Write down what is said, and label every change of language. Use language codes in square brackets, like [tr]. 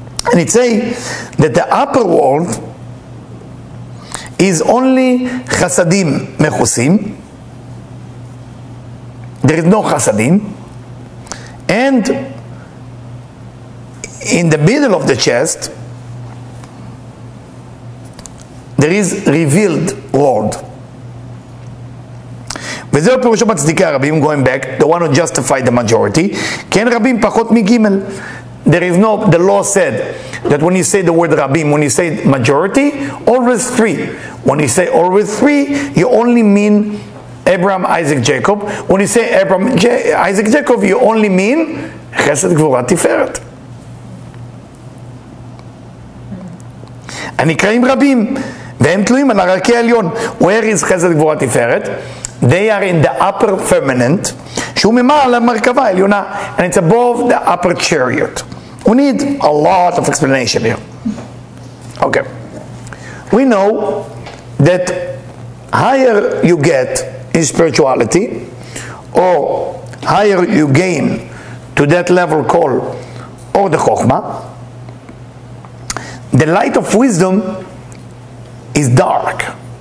[en] And it says that the upper world is only chasadim mechusim. There is no chasadim. And in the middle of the chest, there is revealed world. [he] וזהו פירושו מצדיקי הרבים, [en] going back, the one who justified the majority, [he] כי אין רבים פחות מגימל. [en] There is no, the law said, that when you say the word רבים, when you say majority, always three. When you say always three, you only mean Abraham, Isaac, Jacob. When you say Abraham, Isaac, Jacob, you only mean חסד גבורת תפארת. [he] הנקראים רבים, והם תלויים על הרקי העליון. [en] Where is חסד גבורת תפארת? They are in the upper firmament, [he] שהוא ממעלה מרכבה העליונה, [en] and it's above the upper chariot. We need a lot of explanation here. Okay. We know that higher you get in spirituality, or higher you gain to that level called or the Chokhmah, the light of wisdom is dark.